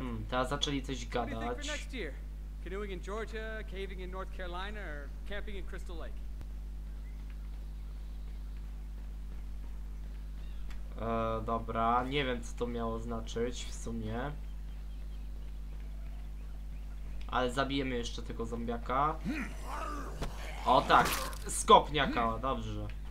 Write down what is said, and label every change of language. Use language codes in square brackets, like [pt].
[pl] Teraz zaczęli coś gadać. [en] Canoeing in Georgia, caving in North Carolina, or camping in Crystal Lake. [pl] Dobra, nie wiem co to miało znaczyć w sumie. Ale zabijemy jeszcze tego zombiaka. O tak, skopniaka, dobrze.